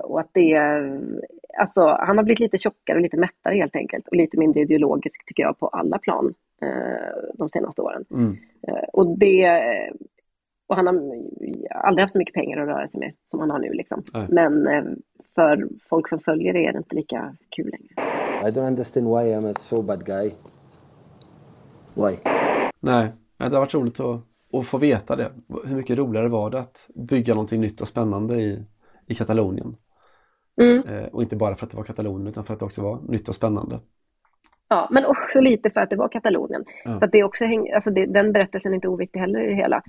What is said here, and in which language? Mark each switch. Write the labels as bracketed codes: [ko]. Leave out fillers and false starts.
[sv] Och att det, alltså, han har blivit lite tjockare och lite mättare helt enkelt. Och lite mindre ideologisk tycker jag på alla plan de senaste åren. Mm. Och det, och han har aldrig haft så mycket pengar att röra sig med som han har nu. Liksom. Men för folk som följer det är det inte lika kul längre. [en] I don't understand why I'm a so bad guy. Why? [sv] Nej, det har varit roligt att få veta det. Hur mycket roligare var det att bygga någonting nytt och spännande i Katalonien? Mm. Och inte bara för att det var Katalonien utan för att det också var nytt och spännande. Ja, men också lite för att det var Katalonien. Ja. För att det också alltså det, den berättelsen är inte oviktig heller i det hela.